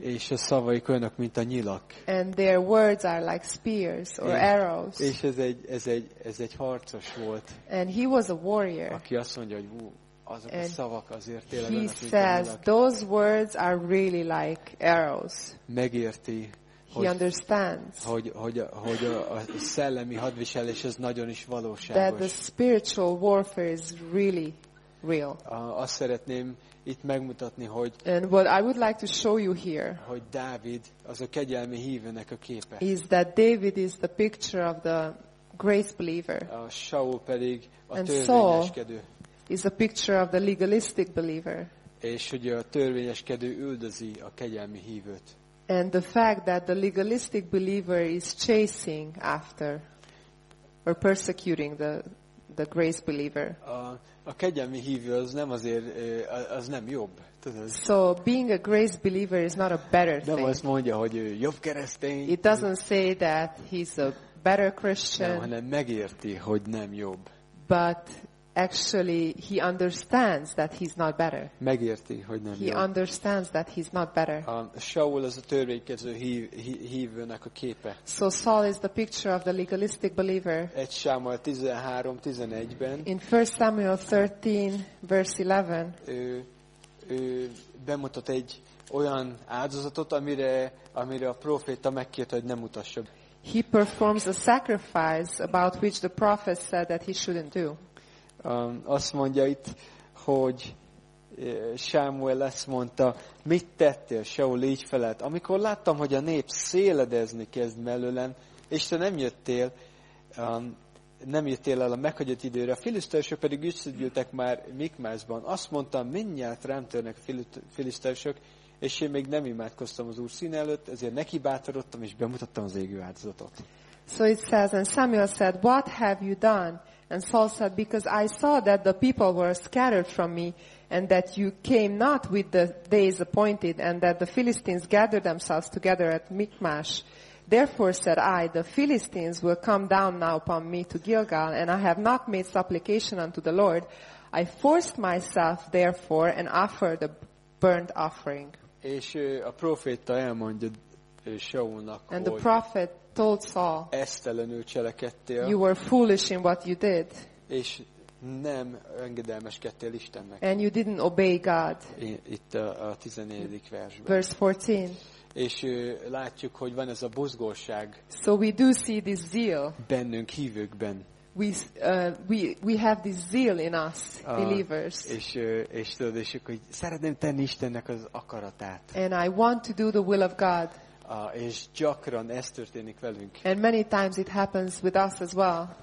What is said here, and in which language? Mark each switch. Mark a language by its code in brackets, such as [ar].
[hu] És a szavaik olyanok, mint a nyilak. [en] And their words are like spears or arrows. [hu] És ez egy harcos volt. [en] And he was a warrior. [hu] Aki azt mondja, hogy azok a szavak azért tényleg olyanok, mint a nyilak. [en] Those words are really like arrows. [hu] Megérti. [en] He understands. [hu] Hogy a szellemi hadviselés ez nagyon is valóságos. [en] That the spiritual warfare is really real. [hu] Azt szeretném itt megmutatni, hogy. [en] And what I would like to show you here. [hu] Hogy Dávid az a kegyelmi hívőnek a képe. [en] Is that David is the picture of the grace believer. [hu] A Saul pedig a törvényeskedő. [en] And Saul is a picture of the legalistic believer. [hu] És hogy a törvényeskedő üldözi a kegyelmi hívőt. [en] And the fact that the legalistic believer is chasing after or persecuting the grace believer. [hu] A kegyelmi hívő az nem azért, az nem jobb. [en] So being a grace believer is not a better thing. [hu] Nem azt mondja, hogy jobb keresztény. [en] It doesn't say that he's a better Christian. [hu] Nem, hanem megérti, hogy nem jobb. [en] But actually he understands that he's not better. [hu] Megérti, hogy nem [en] he [hu] jó. [en] Understands that he's not better. [hu] Saul az a törvénykező hívőnek a képe. [en] So Saul is the picture of the legalistic believer. [hu] 1 Samuel 13:11-ben. [en] In 1 Samuel 13 verse 11. [hu] Ő bemutat egy olyan áldozatot, amire a proféta megkért, hogy nem utassa. [en] He performs a sacrifice about which the prophet said that he shouldn't do. [hu] Azt mondja itt, hogy Sámuel ezt mondta, mit tettél, Saul így felelt. Amikor láttam, hogy a nép széledezni kezd mellőlem, és te nem jöttél el a meghagyott időre, a filiszteusok pedig összegyűltek már Mikmászban. Azt mondtam, mindjárt rám törnek filiszteusok, és én még nem imádkoztam az Úr színe előtt, ezért neki bátorodtam, és bemutattam az égő áldozatot. [en] So it says, and Samuel said, what have you done? And Saul said, because I saw that the people were scattered from me, and that you came not with the days appointed, and that the Philistines gathered themselves together at Michmash. Therefore said I, the Philistines will come down now upon me to Gilgal, and I have not made supplication unto the Lord. I forced myself therefore and offered a burnt offering. [hu] És a proféta elmondja Saulnak, [en] and the prophet told Saul, [hu] esztelenül cselekedtél. [en] You were foolish in what you did. [hu] És nem engedelmeskedtél Istennek. [en] And you didn't obey God. [hu] Itt a 14. versben. [en] Verse 14. [hu] És látjuk, hogy van ez a buzgóság. [en] So we do see this zeal. [hu] Bennünk hívőkben. [en] We have this zeal in us believers. [hu] És tudod, és hogy szeretném tenni Istennek az akaratát. [en] And I want to do the will of God. [hu] És gyakran ez történik velünk. [en] And many times it happens with us as well.